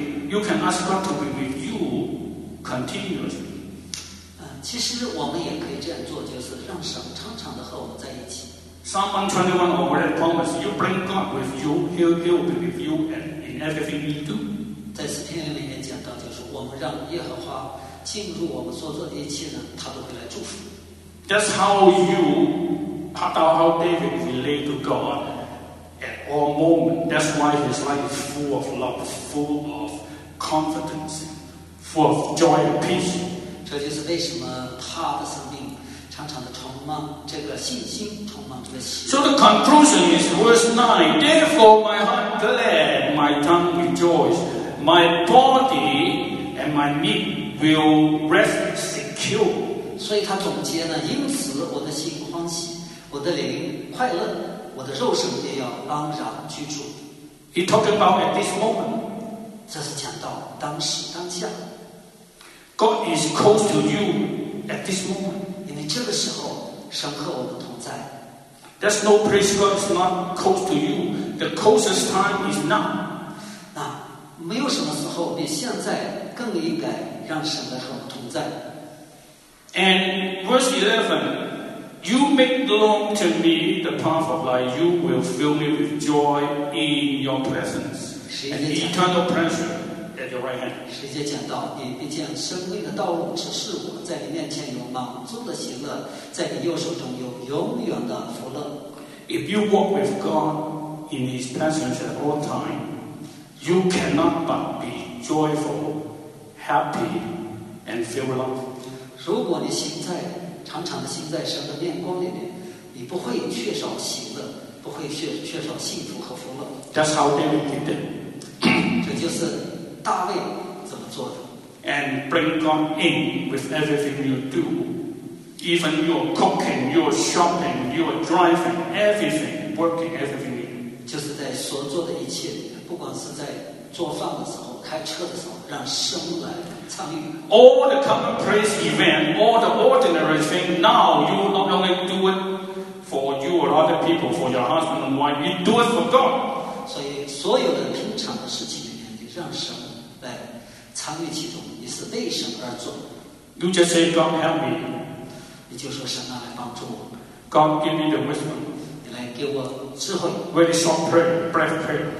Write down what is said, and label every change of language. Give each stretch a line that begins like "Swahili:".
English: You can ask God to be with you continuously.
Chinese: 其实我们也可以这样做，就是让神常常的和我们在一起。
English: Psalm 121 already promised, you bring God with you, he will be with you and in everything you do.
Chinese: 在诗篇里面讲到，就是我们让耶和华进入我们所做的一切呢，他都会来祝福。
English: That's how David relate to God at all moments. That's why his life is full of love, full of confidence, full of joy and peace.
Chinese: 这就是为什么他的生命常常的充满这个信心，充满这个喜。
English: So the conclusion is verse 9. Therefore, my heart glad, my tongue rejoice, my body and my meat will rest secure.
Chinese: 所以他总结呢，因此我的心欢喜，我的灵快乐，我的肉身也要安然居住。
English: He talking about at this moment.
Chinese: 这是讲到当时当下。
English: God is close to you at this moment.
Chinese: 这个时候，神和我们同在。
English: There's no place God's not close to you. The closest time is now.
Chinese: 那没有什么时候比现在更应该让神来和我们同在。
English: And verse 11, you make known to me the path of life. You will fill me with joy in your presence and eternal pleasure at your right hand.
Chinese: 十节讲到，你必将生命的道路指示我。在你面前有满足的喜乐，在你右手中有永远的福乐。
English: If you walk with God in His presence at all time, you cannot but be joyful, happy, and feel love.
Chinese: 如果你行在常常的行在神的面光里面，你不会缺少喜乐，不会缺少幸福和福乐。
English: That's how David did it.
Chinese: 这就是大卫怎么做的。
English: And bring God in with everything you do. Even your cooking, your shopping, your driving, everything, working, everything.
Chinese: 就是在所做的一切，不管是在做饭的时候，开车的时候，让神来参与。
English: All the commonplace event, all the ordinary thing, now you not only do it for you or other people, for your husband and wife, you do it for God.
Chinese: 所以所有的平常的事情里面，你让神来参与其中，你是为神而做。
English: You just say, God help me.
Chinese: 你就说神啊，来帮助我。
English: God give me the wisdom.
Chinese: 你来给我智慧。
English: Very short prayer, brief prayer.